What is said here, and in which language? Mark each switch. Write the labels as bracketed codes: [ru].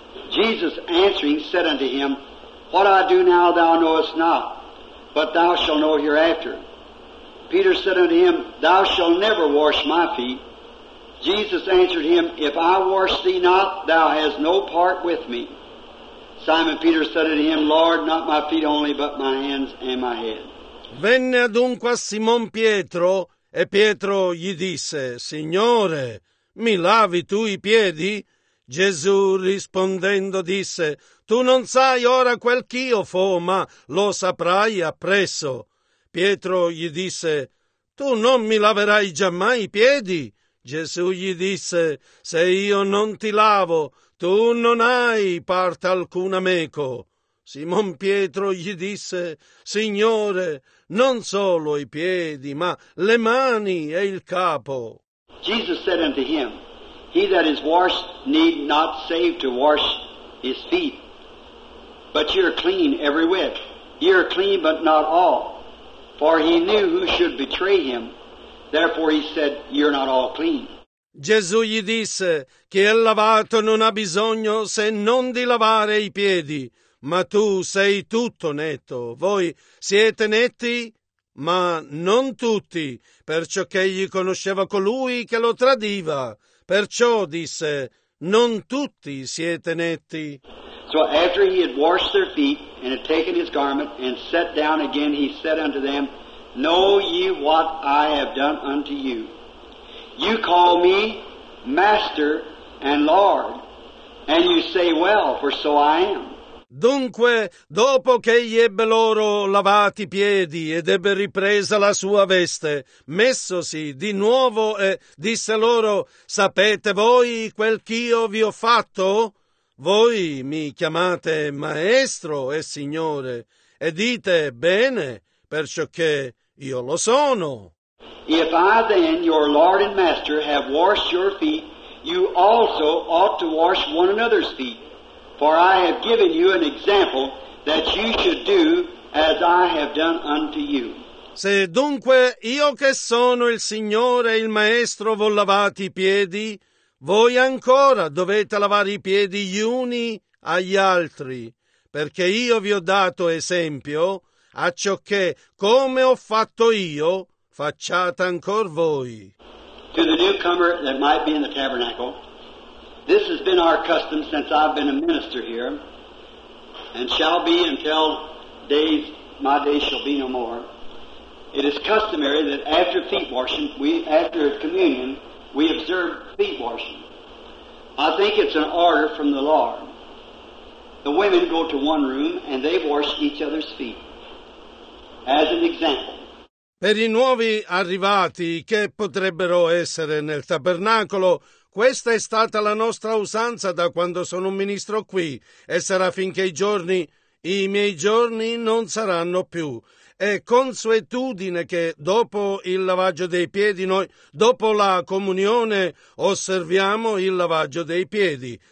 [en] Jesus answering said unto him, What I do now thou knowest not, but thou shalt know hereafter. Peter said unto him, Thou shalt never wash my feet. Jesus answered him, If I wash thee not, thou hast no part with me. Simon Peter said unto him, Lord, not my feet only, but my hands and my head. [it] Venne adunque a Simon Pietro, e Pietro gli disse, Signore, mi lavi tu i piedi? Gesù rispondendo disse, Tu non sai ora quel ch'io fo, ma lo saprai appresso. Pietro gli disse, Tu non mi laverai giammai i piedi? Gesù gli disse, Se io non ti lavo, tu non hai parte alcuna meco. Simon Pietro gli disse, Signore, non solo i piedi, ma le mani e il capo. [en] Jesus said unto him, He that is washed need not save to wash his feet, but ye are clean every whit. Ye are clean, but not all. For he knew who should betray him. Therefore he said, You're not all clean. [it] Gesù gli disse, Chi è lavato non ha bisogno se non di lavare i piedi, ma tu sei tutto netto. Voi siete netti, ma non tutti, perciò che egli conosceva colui che lo tradiva. Perciò disse, Non tutti siete netti. [en] So after he had washed their feet, and had taken his garment, and sat down again, he said unto them, Know ye what I have done unto you? You call me Master and Lord, and you say well, for so I am. [it] Dunque, dopo che egli ebbe loro lavati i piedi ed ebbe ripresa la sua veste, messosi di nuovo e disse loro, Sapete voi quel ch'io vi ho fatto? Voi mi chiamate maestro e signore, e dite bene, perciò che io lo sono. [en] If I then, your Lord and Master, have washed your feet, you also ought to wash one another's feet. For I have given you an example that you should do as I have done unto you. [it] Se dunque io che sono il Signore e il Maestro v'ho lavati i piedi, voi ancora dovete lavare i piedi gli uni agli altri, perché io vi ho dato esempio a ciò che, come ho fatto io, facciate ancor voi. [en] To the newcomer that might be in the tabernacle, this has been our custom since I've been a minister here, and shall be until my days shall be no more. It is customary that after feet washing, after communion, we observe feet washing. I think it's an order from the Lord. The women go to one room and they wash each other's feet, as an example. [it] Per i nuovi arrivati che potrebbero essere nel tabernacolo, questa è stata la nostra usanza da quando sono un ministro qui, e sarà finché i miei giorni non saranno più. È consuetudine che dopo il lavaggio dei piedi, noi, dopo la comunione, osserviamo il lavaggio dei piedi.